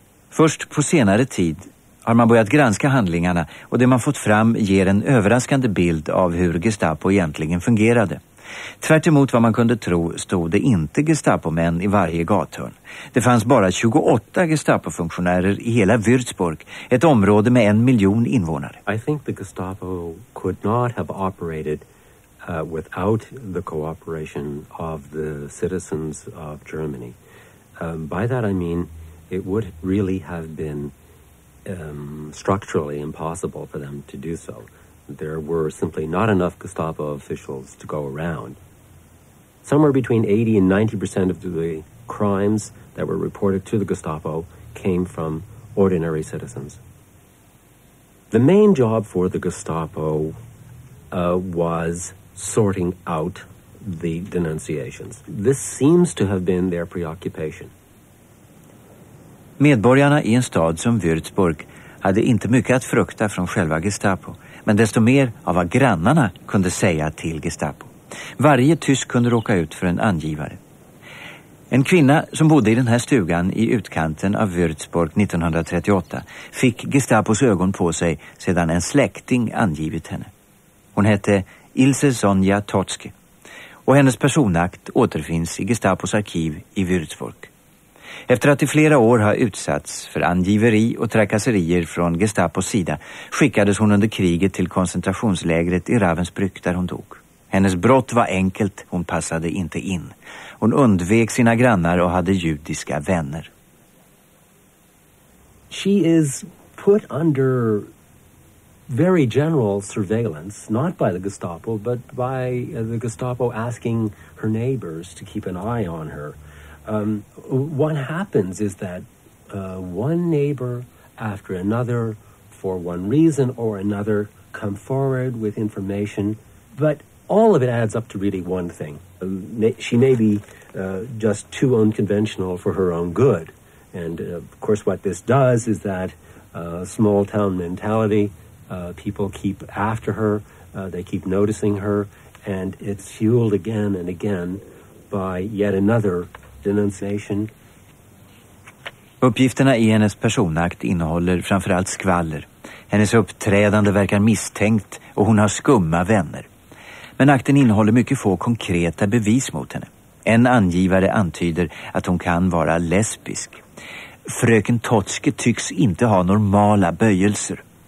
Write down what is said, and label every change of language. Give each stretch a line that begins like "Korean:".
Swedish: Först på senare tid har man börjat granska handlingarna, och det man fått fram ger en överraskande bild av hur Gestapo egentligen fungerade. Tvärt emot vad man kunde tro stod det inte Gestapo-män i varje gathörn. Det fanns bara 28 Gestapo-funktionärer i hela Würzburg, ett område med 1 miljon invånare.
English: I think the Gestapo could not have operated without the cooperation of the citizens of Germany. By that I mean it would really have been structurally impossible for them to do so. There were simply not enough Gestapo officials to go around. Somewhere between 80 and 90% of the crimes that were reported to the Gestapo came from ordinary citizens. The main job for the Gestapo was sorting out the denunciations. This seems to have been their preoccupation.
Swedish: Medborgarna i en stad som Würzburg hade inte mycket att frukta från själva Gestapo, men desto mer av vad grannarna kunde säga till Gestapo. Varje tysk kunde råka ut för en angivare. En kvinna som bodde i den här stugan i utkanten av Würzburg 1938 fick Gestapos ögon på sig sedan en släkting angivit henne. Hon hette Ilse Sonja Totske, och hennes personakt återfinns i Gestapos arkiv i Würzburg. Efter att i flera år har utsatts för angiveri och trakasserier från Gestapos sida skickades hon under kriget till koncentrationslägret i Ravensbrück där hon dog. Hennes brott var enkelt, hon passade inte in. Hon undvek sina grannar och hade judiska vänner.
English: She is put under very general surveillance, not by the Gestapo, but by the Gestapo asking her neighbors to keep an eye on her. What happens is that one neighbor after another, for one reason or another, come forward with information, but all of it adds up to really one thing. She may be just too unconventional for her own good. And of course what this does is that small town mentality, people keep after her, they keep noticing her, and it's fueled again and again by yet another denunciation.
Swedish: Uppgifterna i hennes personakt innehåller framförallt skvaller. Hennes uppträdande verkar misstänkt och hon har skumma vänner. Men akten innehåller mycket få konkreta bevis mot henne. En angivare antyder att hon kan vara lesbisk. Fröken Totske tycks inte ha normala böjelser.